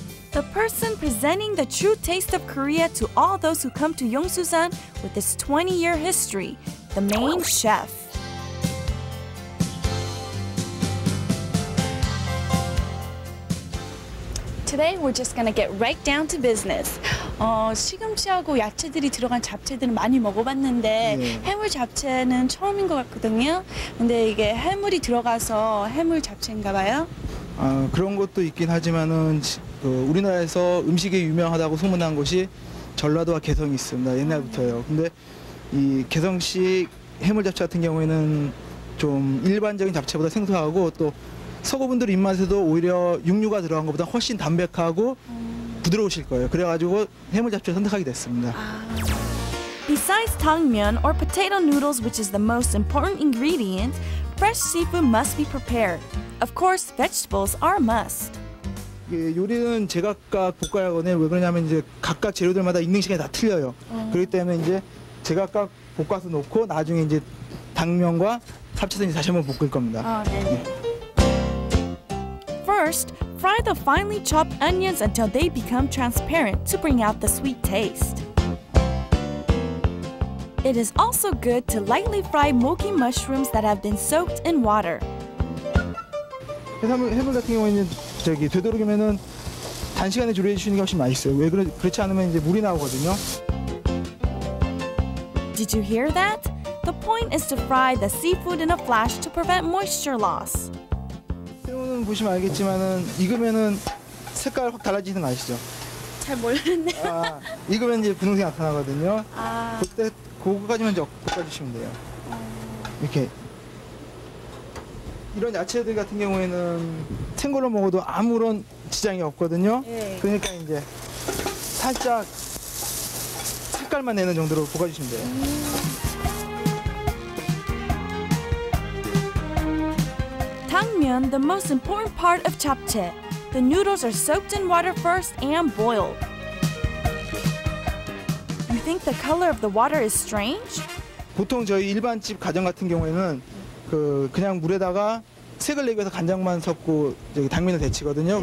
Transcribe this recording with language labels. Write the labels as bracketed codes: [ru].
[en] The person presenting the true taste of Korea to all those who come to 용수산 with its 20-year history, the main chef. today we're just going to get right down to business. [ko] 시금치하고 야채들이 들어간 잡채들은 많이 먹어봤는데 해물 잡채는 처음인 것 같거든요. 근데 이게 해물이 들어가서 해물 잡채인가 봐요. 그런 것도 있긴 하지만은 우리나라에서 음식이 유명하다고 소문난 곳이 전라도와 개성이 있습니다. 옛날부터요. 근데 이 개성식 해물 잡채 같은 경우에는 좀 일반적인 잡채보다 생소하고 또 서구분들 입맛에도 오히려 육류가 들어간 것보다 훨씬 담백하고 부드러우실 거예요. 그래가지고 해물 잡채 선택하게 됐습니다. [en] Besides 당면 or potato noodles, which is the most important ingredient, fresh seafood must be prepared. Of course, vegetables are a must. [ko] 예, 요리는 제각각 볶아야거든요. 왜 그러냐면 이제 각각 재료들마다 익는 시간이 다 틀려요. 그렇기 때문에 이제 제각각 볶아서 놓고 나중에 이제 당면과 잡채를 다시 한번 볶을 겁니다. [en] First, fry the finely chopped onions until they become transparent to bring out the sweet taste. It is also good to lightly fry mochi mushrooms that have been soaked in water. [ko] 해물 같은 경우에는 저기 되도록이면은 단시간에 조리해 주시는 게 훨씬 맛있어요. 왜 그렇지 않으면 이제 물이 나오거든요. [en] Did you hear that? The point is to fry the seafood in a flash to prevent moisture loss. [ko] 새우는 보시면 알겠지만은 익으면은 색깔 확 달라지는 거 아시죠? 잘 모르겠네. 익으면 이제 분홍색 나타나거든요. 그때 그거까지만 이제 볶아주시면 돼요. 이렇게 이런 야채들 같은 경우에는 생걸로 먹어도 아무런 지장이 없거든요. 예. 그러니까 이제 살짝 색깔만 내는 정도로 볶아주시면 돼요. [en] 당면, the most important part of 잡채. The noodles are soaked in water first and boiled. You think the color of the water is strange? [ko] 보통 저희 일반 집 가정 같은 경우에는 그냥 물에다가 색을 내기 위해서 간장만 섞고 저기 당면을 데치거든요.